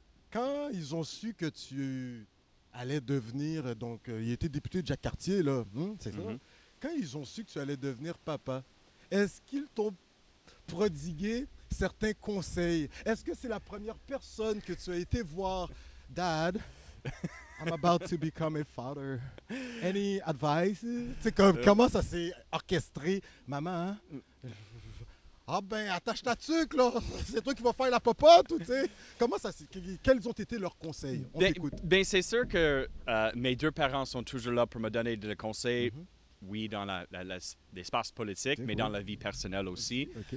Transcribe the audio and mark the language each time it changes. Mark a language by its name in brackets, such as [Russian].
[French] Quand ils ont su que tu allais devenir, donc il était député de Jacques-Cartier, là, c'est ça? Mm-hmm. Quand ils ont su que tu allais devenir papa, est-ce qu'ils t'ont prodigué certains conseils? Est-ce que c'est la première personne que tu as été voir? [English] Dad, I'm about to become a father. Any advice? [French] T'sais, comment ça s'est orchestré? Maman, ah ben, attache ta tuque, là! C'est toi qui vas faire la popote, tu sais? Comment ça s'est... Quels ont été leurs conseils? On t'écoute. Bien, c'est sûr que mes deux parents sont toujours là pour me donner des conseils, oui, dans l'espace politique, mais dans la vie personnelle aussi.